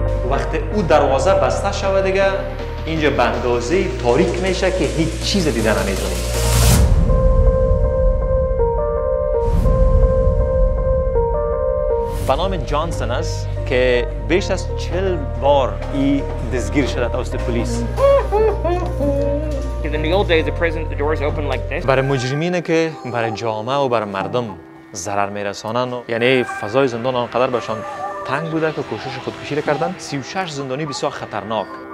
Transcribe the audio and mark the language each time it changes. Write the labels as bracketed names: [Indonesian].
[Persian] وقتی او دروازه بسته شود دیگه اینجا بندازه تاریک میشه که هیچ چیز دیده نمیتونی. به نام جانسون است که بیش از 40 بار ای دستگیر شده توسط پلیس. [English] In the old days, the prison, the doors open like this. [Persian] برای مجرمینه که برای جامعه و برای مردم ضرر میرسانن، یعنی فضای زندان آنقدر برشان تنگ بوده که کوشش خودکشی رو کردن. 36 زندانی بسیار خطرناک.